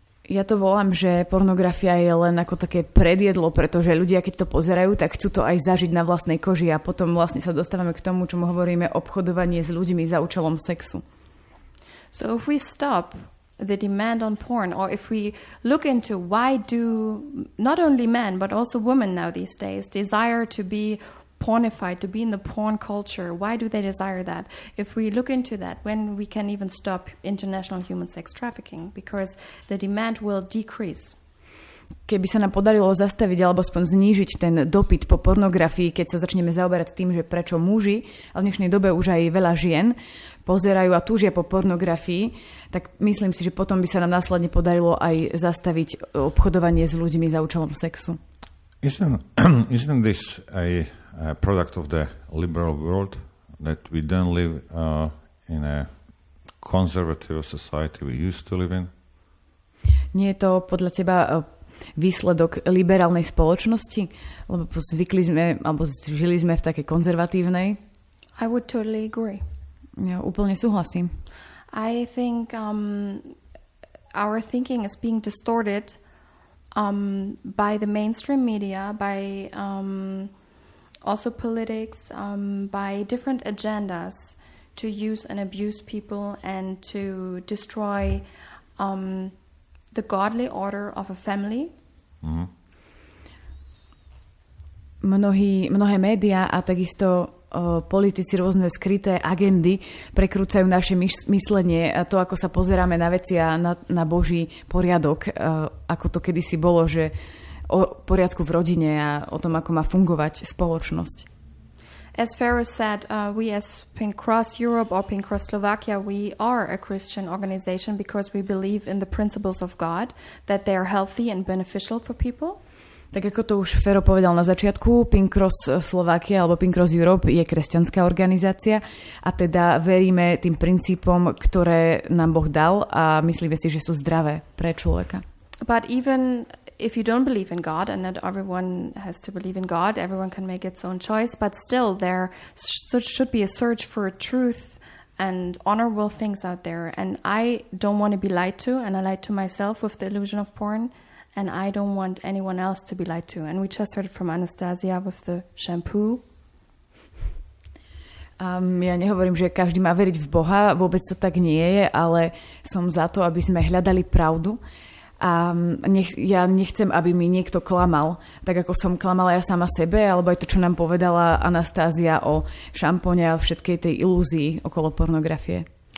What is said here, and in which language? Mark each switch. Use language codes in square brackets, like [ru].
[sk] Ja to volám, že pornografia je len ako také predjedlo, pretože ľudia, keď to pozerajú, tak chcú to aj zažiť na vlastnej koži, a potom vlastne sa dostávame k tomu, čo hovoríme, obchodovanie s ľuďmi za účelom sexu. [en] So if we stop the demand on porn, or if we look into why do not only men but also women now these days desire to be pornified, to be in the porn culture, why do they desire that? If we look into that, when we can even stop international human sex trafficking, because the demand will decrease. [sk] Keby sa nám podarilo zastaviť alebo aspoň znížiť ten dopyt po pornografii, keď sa začneme zaoberať tým, že prečo muži, a v dnešnej dobe už aj veľa žien, pozerajú a túžia po pornografii, tak myslím si, že potom by sa nám následne podarilo aj zastaviť obchodovanie s ľuďmi za účelom sexu. [en] Isn't this a product of the liberal world, that we then live in a conservative society we used to live in? [sk] Nie je to podľa teba výsledok liberálnej spoločnosti, lebo zvykli sme alebo žili sme v takej konzervatívnej? [en] I would totally agree. [sk] Ja úplne súhlasím. [en] I think our thinking is being distorted by the mainstream media, by also politics, by different agendas to use and abuse people and to destroy the godly order of a family. [sk] Mnohé médiá a takisto politici, rôzne skryté agendy prekrúcajú naše myslenie a to, ako sa pozeráme na veci a na Boží poriadok, ako to kedysi bolo, že o poriadku v rodine a o tom, ako má fungovať spoločnosť. [en] As Ferris said, we as Pink Cross Europe or Pink Cross Slovakia, we are a Christian organization because we believe in the principles of God, that they are healthy and beneficial for people. [sk] Tak ako to už Fero povedal na začiatku, Pink Cross Slovakia alebo Pink Cross Europe je kresťanská organizácia a teda veríme tým princípom, ktoré nám Boh dal, a myslíme si, že sú zdravé pre človeka. [en] But even if you don't believe in God, and not everyone has to believe in God, everyone can make its own choice, but still there should be a search for truth and honorable things out there. And I don't want to be lied to, and I lied to myself with the illusion of porn, and I don't want anyone else to be lied to. And we just heard it from Anastasia with the shampoo. [sk] Ja nehovorím, že každý má veriť v Boha, vôbec to tak nie je, ale som za to, aby sme hľadali pravdu. A ja nechcem, aby mi niekto klamal, tak ako som klamala ja sama sebe, alebo aj to, čo nám povedala Anastázia o šampóne a všetkej tej ilúzii okolo pornografie.